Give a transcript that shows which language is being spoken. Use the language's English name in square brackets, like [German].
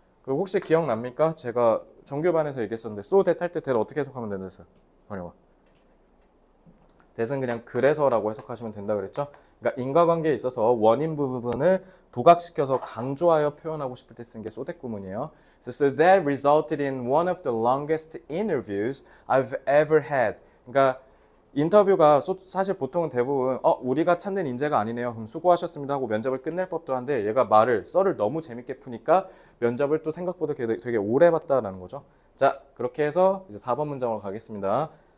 [Korean] 그리고 혹시 기억납니까? 제가 정규반에서 얘기했었는데 so that 할때 that 어떻게 해석하면 된다 했어요. 번역. that은 그냥 그래서라고 해석하시면 된다 그랬죠? 그러니까 인과관계에 있어서 원인 부분을 부각시켜서 강조하여 표현하고 싶을 때쓴게 so that 구문이에요. [English] So that resulted in one of the longest interviews I've ever had. [Korean] 그러니까 인터뷰가 사실 보통은 대부분 우리가 찾는 인재가 아니네요. 그럼 수고하셨습니다 하고 면접을 끝낼 법도 한데 얘가 말을 썰을 너무 재밌게 푸니까 면접을 또 생각보다 되게 오래 봤다라는 거죠. 자, 그렇게 해서 이제 4번 문장으로 가겠습니다.